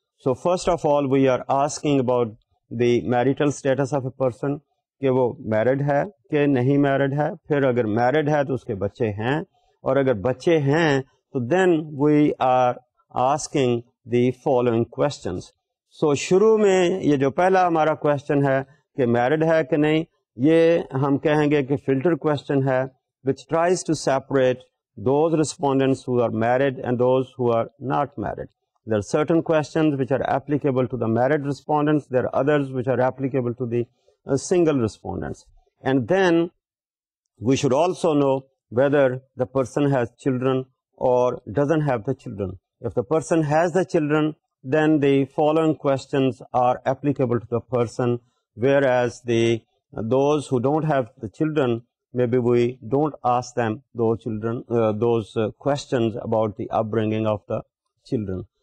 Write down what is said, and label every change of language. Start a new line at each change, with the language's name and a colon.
English: so first of all we are asking about the marital status of a person
Urdu: کہ وہ married ہے کہ نہیں میرڈ ہے, پھر اگر میرڈ ہے تو اس کے بچے ہیں, اور اگر بچے ہیں تو
English: Then we are asking the following questions.
Urdu: سو شروع میں یہ جو پہلا ہمارا کوسچن ہے کہ میرڈ ہے کہ نہیں, یہ ہم کہیں گے کہ فلٹر کوسچن ہے
English: Which tries to separate those respondents who are married and those who are not married. There are certain questions which are applicable to the married respondents, there are others which are applicable to the single respondents, and then we should also know whether the person has children or doesn't have the children. If the person has the children, then the following questions are applicable to the person, whereas the those who don't have the children, maybe we don't ask them those children questions about the upbringing of the children.